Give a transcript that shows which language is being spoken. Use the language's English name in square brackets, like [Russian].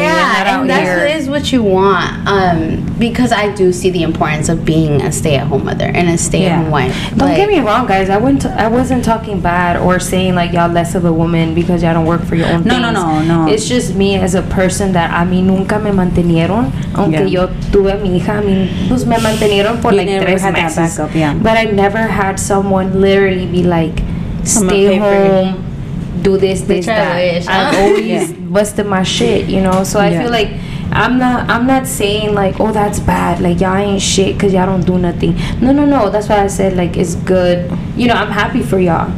[English] Yeah, and that is what you want. Because I do see the importance of being a stay-at-home mother and a stay-at-home, yeah, wife. Don't, like, get me wrong, guys. I wasn't talking bad or saying, like, y'all less of a woman because y'all don't work for your own things. No. It's just me as a person that [Spanish] a mí nunca me mantenieron. Aunque, yeah, yo tuve a mi hija, a mí, pues, me mantenieron por, like, 3 meses. [English] That backup, yeah. But I never had someone literally be like, stay home, do this, that. I've always busted my shit, you know? So I feel like, I'm not saying, like, oh, that's bad, like, y'all ain't shit because y'all don't do nothing. No, that's why I said, like, it's good, you know. I'm happy for y'all.